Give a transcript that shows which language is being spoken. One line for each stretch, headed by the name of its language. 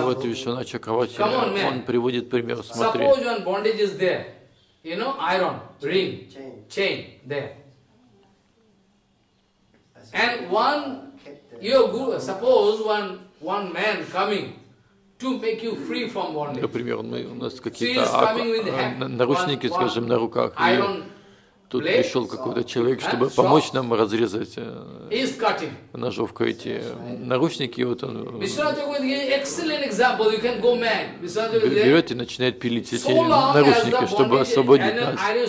Russian: И вот Вишванатха Чакравати, он приводит пример. Смотри.
English: Suppose one bondage is there, you know, iron ring, chain there, and one. Suppose one man coming to make you free from bondage.
Russian: Например, у нас какие-то наручники, скажем, на руках. И тут пришел какой-то человек, чтобы помочь нам разрезать ножовку эти наручники. Вот он. Берет и начинает пилить эти наручники, чтобы освободить нас.